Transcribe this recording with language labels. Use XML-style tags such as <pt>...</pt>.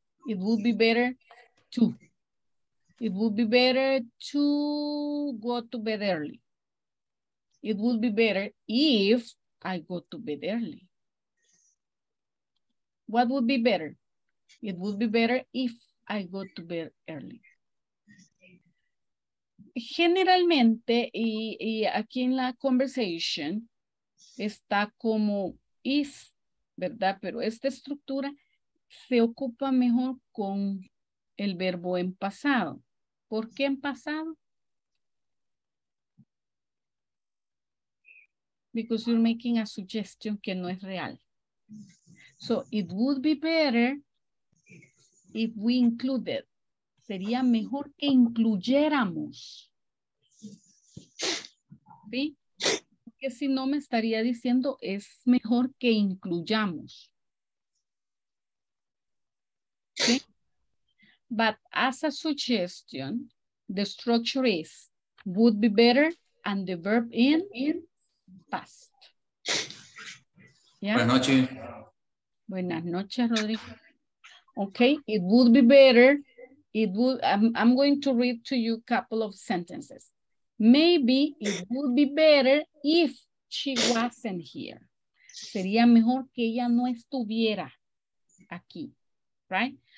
<en>It would be better to. It would be better to go to bed early. It would be better if I go to bed early. What would be better? It would be better if I go to bed early.</en> <es>Generalmente, y aquí en la conversation, está como is, ¿verdad? Pero esta estructura se ocupa mejor con el verbo en pasado. ¿Por qué en pasado?</es> <en>Because you're making a suggestion que no es real. So it would be better if we included.</en> <es>Sería mejor que incluyéramos. ¿Sí? Porque si no me estaría diciendo es mejor que incluyamos. ¿Sí?</es> <en>But as a suggestion, the structure is would be better and the verb in past.</en> <es>Yeah? Buenas noches.</es> <en>Buenas noches, Rodrigo. Okay, it would be better. It would. I'm going to read to you a couple of sentences. Maybe it would be better if she wasn't here.</en> <es>Sería mejor que ella no estuviera aquí, right?</es>